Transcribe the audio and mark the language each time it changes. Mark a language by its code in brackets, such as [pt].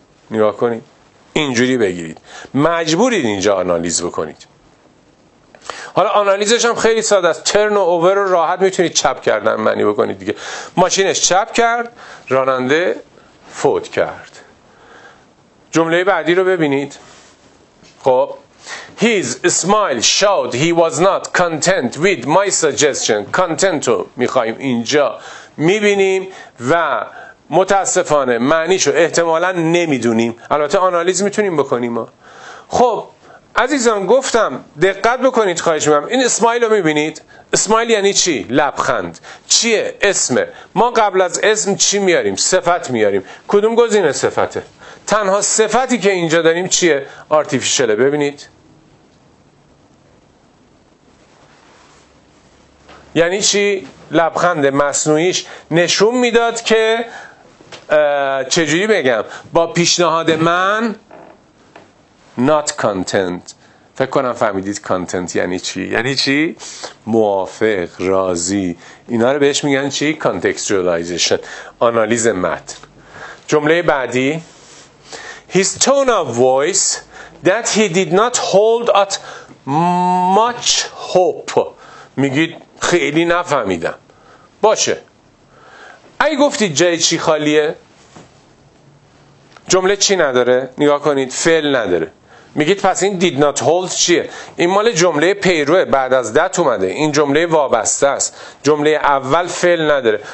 [fa] نگاه کنید، اینجوری بگیرید، مجبورید اینجا آنالیز بکنید. حالا آنالیزش هم خیلی ساده است، ترن و اوور رو راحت میتونید چپ کردن معنی بکنید دیگه. ماشینش چپ کرد، راننده فوت کرد. جمله بعدی رو ببینید. [en] خب His smile showed he was not content with my suggestion. [fa] Content رو میخواییم اینجا میبینیم و متاسفانه معنیشو احتمالا نمیدونیم. البته آنالیز میتونیم بکنیم. خب عزیزان گفتم دقت بکنید، خواهش میکنم. این اسمایل رو میبینید؟ اسمایل یعنی چی؟ لبخند. چیه؟ اسمه. ما قبل از اسم چی میاریم؟ صفت میاریم. کدوم گزینه صفته؟ تنها صفتی که اینجا داریم چیه؟ آرتیفیشله. ببینید، یعنی چی؟ لبخند مصنوعیش نشون میداد که چجوری بگم، با پیشنهاد من [en] not content. [fa] فکر کنم فهمیدید content یعنی چی؟ یعنی چی؟ موافق، راضی. اینا رو بهش میگن چی؟ contextualization، آنالیز متن. جمله بعدی، [en] his tone of voice that he did not hold at much hope. [fa] میگید خیلی نفهمیدم. باشه، اگه گفتید جای چی خالیه، جمله چی نداره، نگاه کنید، فعل نداره، میگید پس این [en] did not hold [fa] چیه؟ این مال جمله پیروه، بعد از that اومده، این جمله وابسته است، جمله اول فعل نداره.